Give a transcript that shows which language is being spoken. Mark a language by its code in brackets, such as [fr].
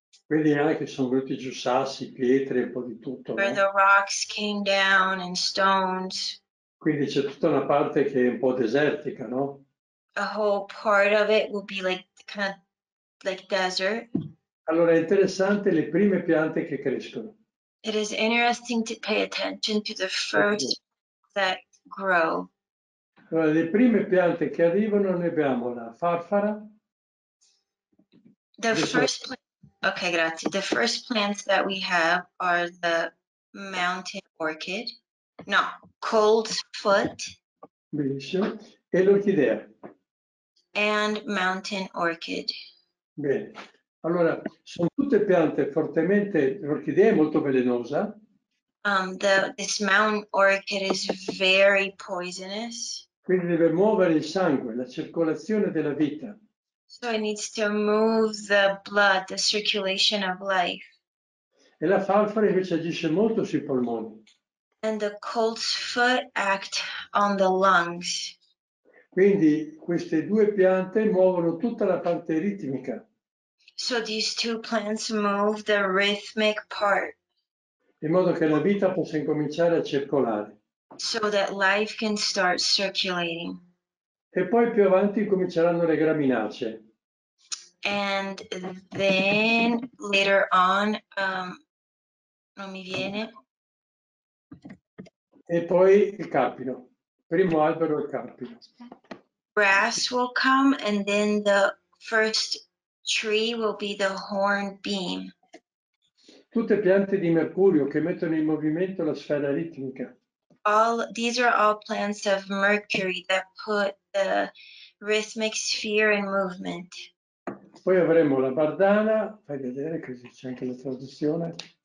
[it] Quindi anche sono venuti giù sassi, pietre, un po' di tutto. [en] Where no? The rocks came down and stones. [it] Quindi c'è tutta una parte che è un po' desertica, no? [en] A whole part of it would be like kind of like desert. [it] Allora è interessante le prime piante che crescono. [en] It is interesting to pay attention to the first that grow. [it] Allora le prime piante che arrivano ne abbiamo la farfara. [en] The first plants that we have are the mountain orchid, no, coltsfoot. [it] Benissimo. E l'orchidea. [en] And mountain orchid. [it] Bene. Allora, sono tutte piante fortemente, l'orchidea è molto velenosa. [en] This mountain orchid is very poisonous. [it] Quindi deve muovere il sangue, la circolazione della vita. [en] So it needs to move the blood, the circulation of life. [it] E la farfara invece agisce molto sui polmoni. [en] And the colt's foot act on the lungs. [it] Quindi queste due piante muovono tutta la parte ritmica. [en] So these two plants move the rhythmic part. [it] In modo che la vita possa incominciare a circolare. [en] So that life can start circulating. [it] E poi più avanti cominceranno le graminacee. [en] And then later on, [it] non mi viene. E poi il carpino, primo albero il carpino. [en] Grass will come and then the first tree will be the horn beam. [it] Tutte piante di mercurio che mettono in movimento la sfera ritmica. [en] These are all plants of mercury that put the rhythmic sphere in movement. [it] Poi avremo la bardana, fai vedere così c'è anche la traduzione.